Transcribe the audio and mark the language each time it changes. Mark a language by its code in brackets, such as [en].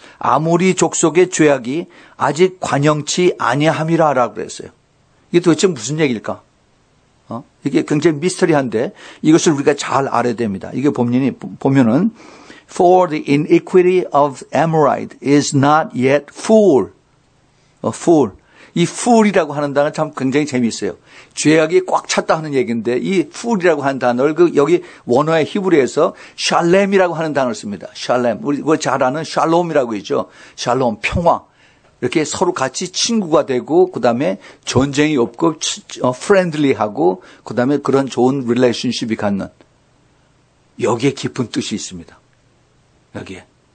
[ko] 아모리 족속의 죄악이 아직 관영치 아니함이라라고 그랬어요. 이게 도대체 무슨 얘기일까? 이게 굉장히 미스터리한데 이것을 우리가 잘 알아야 됩니다. 이게 보면은 [en] For the iniquity of Amorite is not yet full. Full. [ko] 이 full이라고 하는 단어 참 굉장히 재미있어요. 죄악이 꽉 찼다 하는 얘기인데 이 full이라고 하는 단어를 여기 원어의 히브리에서 샬렘이라고 하는 단어를 씁니다. 샬렘. 우리가 잘 아는 샬롬이라고 있죠. 샬롬, 평화. 이렇게 서로 같이 친구가 되고 그다음에 전쟁이 없고 friendly하고 그다음에 그런 좋은 relationship이 갖는, 여기에 깊은 뜻이 있습니다. 여기에.